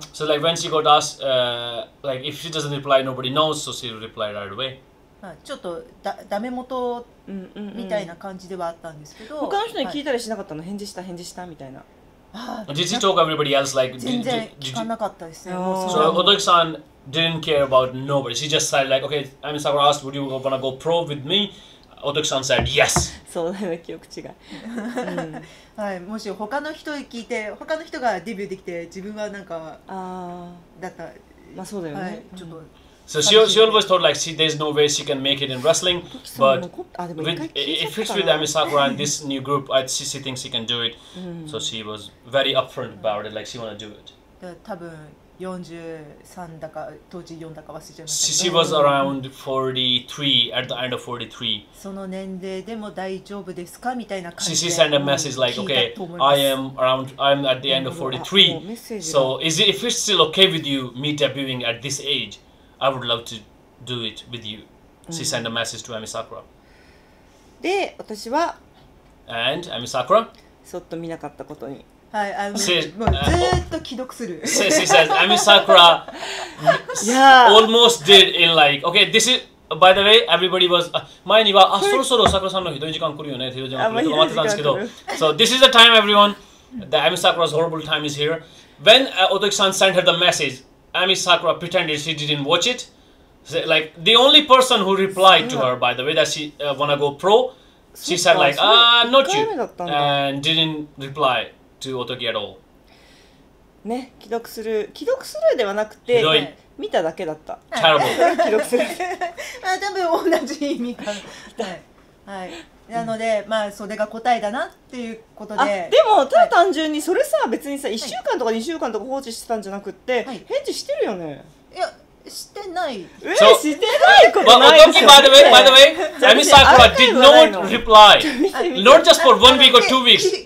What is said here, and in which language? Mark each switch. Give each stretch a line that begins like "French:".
English: い。So like when she got asked, like if she doesn't reply, nobody knows, so she'll reply right away.
Japanese: まあちょっとダメ元みたいな感じではあったんですけど、他の人に聞いたりしなかったの、はい、返事した返事したみたいな。
English: Did she talk everybody else like?
Japanese: 全然聞かなかったですね。
English: So Otoki-san didn't care about nobody. She just said like, okay, I mean Sakura asked, would you wanna go pro with me? おときさん said yes。
Japanese: そうだよ、記憶違い、うん、はい、もし他の人に聞いて他の人がデビューできて自分はなんかあだった、まあそうだよね、はい、ちょ
English: っと、うん、So she always thought like she, there's no way she can make it in wrestling but if it's with Ami Sakura and this new group she thinks she can do it、
Japanese: うん、
English: so she was very upfront about it like she wanna do it
Japanese: 多分43だか当時4だか忘れちゃいました。
English: She was around 43 at the end of 43.
Japanese: その年齢でも大丈夫ですかみたいな感じで。
English: She sent a message like, okay, I am around, I'm at the end of 43. So is it, if it's still okay with you, me debuting at this age, I would love to do it with you. She sent a message to Ami Sakura.
Japanese: で、私は。
English: And Ami Sakura?
Japanese: そっと見なかったことに。はい、もうずーっと既読する。
English: She says, Ami Sakura almost did in like, okay, this is, by the way, everybody was,
Japanese: 前には、あ、そろそろ桜さんのひどい時間来るよね、ひどい時間来るとか思ってたんですけど、
English: So this is the time, everyone, the Ami Sakura's horrible time is here. When Otoki-san sent her the message, Ami Sakura pretended she didn't watch it. Like, the only person who replied to her, by the way, that she wanna go pro, she said like, not you, and didn't reply. To Otoki at all.
Japanese: ね、既読する既読するではなくて、ね、見ただけだった。
English: Terrible.
Japanese: 既読する。まあ多分同じ意味か。はい、はい、なので、うん、まあそれが答えだなっていうことで。でもただ単純にそれさ、はい、別にさ1週間とか2週間とか放置してたんじゃなくって、はい、返事してるよね。いや。してない。 So, してないことないですよ、ね。
English: Well, Otoki, by the way, Ami Sakura did not reply. Not just for one week or two weeks.